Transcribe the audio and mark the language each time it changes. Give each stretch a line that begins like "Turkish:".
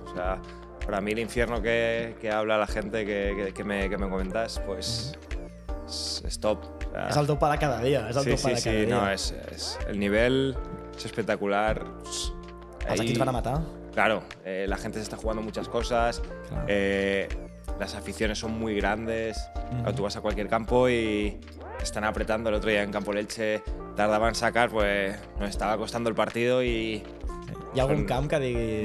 Spanish: O sea, para mí el infierno que habla la gente que me comentas, pues es top.
Catalan: És el teu pa de cada dia. El nivell és espectacular. Els equips van a matar.
Spanish: Claro, la gente se está jugando muchas cosas, claro. Las aficiones son muy grandes, tú vas a cualquier campo y están apretando. El otro día en Campo Leche tardaban en sacar, pues nos estaba costando el partido y...
Catalan: Hi ha algun camp que diguis...